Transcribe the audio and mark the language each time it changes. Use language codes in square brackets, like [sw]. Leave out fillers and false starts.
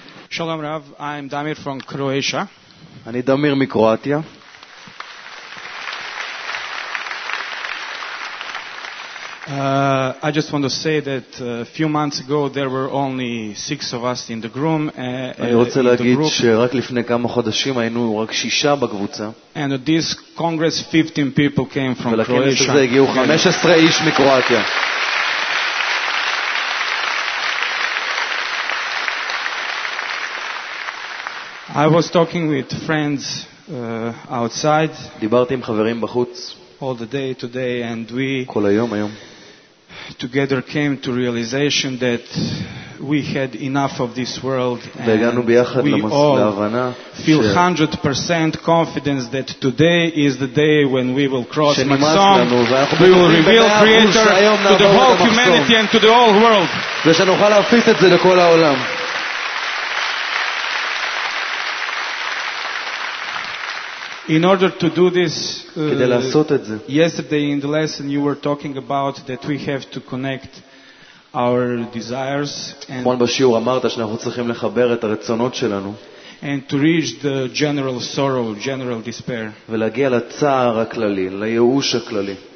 [he] שלום רב, [en] I'm Damir from Croatia. [he] אני דמיר מקרואטיה. [en] I just want to say that a few months ago there were only 6 of us in the group. [he] אני רוצה להגיד שרק לפני כמה חודשים היינו רק 6 בקבוצה. [en] And at this congress 15 people came from Croatia. [he] ולכנס הזה הגיעו 15 איש מקרואטיה. [en] I was talking with friends outside. [he] דיברתי עם חברים בחוץ. [en] All the day today and we [he] כל היום היום. [en] Together came to realization that we had enough of this world and [he] והגענו ביחד להבנה [en] feel 100% confidence that today is the day when we will cross Maxon. We will reveal creator to the whole humanity and to the whole world. [he] ושנוכל להפיץ את זה לכל העולם. [en] In order to do this, [he] כדי לעשות את זה. [en] Yesterday in the lesson you were talking about that we have to connect our desires and [he] כמו בשיעור אמרת שאנחנו צריכים לחבר את הרצונות שלנו [en] and to reach the general sorrow, general despair. [he] ולהגיע לצער הכללי, לייאוש הכללי.